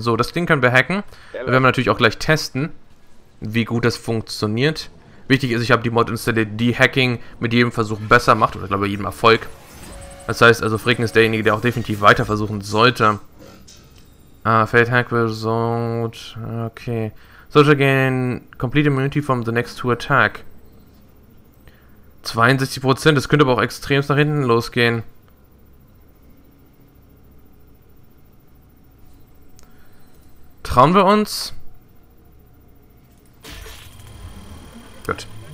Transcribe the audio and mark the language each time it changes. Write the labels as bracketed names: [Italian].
[German] So, das Ding können wir hacken. Wir werden natürlich auch gleich testen, wie gut das funktioniert. Wichtig ist, ich habe die Mod installiert, die Hacking mit jedem Versuch besser macht. Oder glaube ich, jedem Erfolg. Das heißt also, Fricken ist derjenige, der auch definitiv weiter versuchen sollte... [English] ah, failed hack result. Okay. Social gain complete immunity from the next two attack. [German] 62%, das könnte aber auch extrem nach hinten losgehen. Trauen wir uns? Gut.